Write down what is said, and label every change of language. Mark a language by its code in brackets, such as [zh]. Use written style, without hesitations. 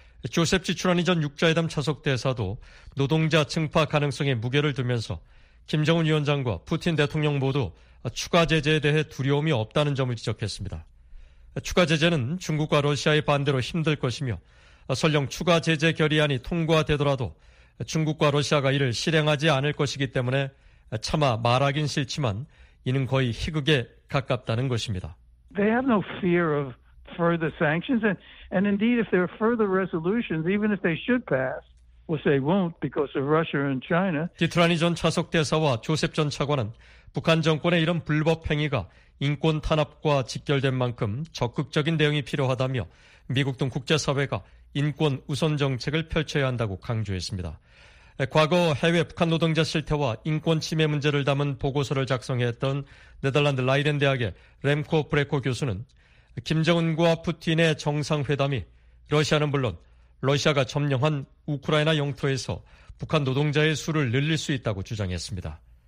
[ko] 조셉 지출하니 전 육자회담 차석 대사도 노동자 증파 가능성에 무게를 두면서 김정은 위원장과 푸틴 대통령 모두 추가 제재에 대해 두려움이 없다는 점을 지적했습니다. 추가 제재는 중국과 러시아의 반대로 힘들 것이며 설령 추가 제재 결의안이 통과되더라도 중국과 러시아가 이를 실행하지 않을 것이기 때문에 차마 말하긴 싫지만 이는 거의 희극에 가깝다는 것입니다. [en] They have no fear of further sanctions and indeed if there are further resolutions even if they should pass we'll say won't because of Russia and China. [ko] 디트라니 전 차석 대사와 조셉 전 차관은 북한 정권의 이런 불법 행위가 인권 탄압과 직결된 만큼 적극적인 대응이 필요하다며 미국 등 국제사회가 인권 우선 정책을 펼쳐야 한다고 강조했습니다. 과거 해외 북한 노동자 실태와 인권 침해 문제를 담은 보고서를 작성했던 네덜란드 라이덴 대학의 램코 브레코 교수는 김정은과 푸틴의 정상회담이 러시아는 물론 러시아가 점령한 우크라이나 영토에서 북한 노동자의 수를 늘릴 수 있다고 주장했습니다.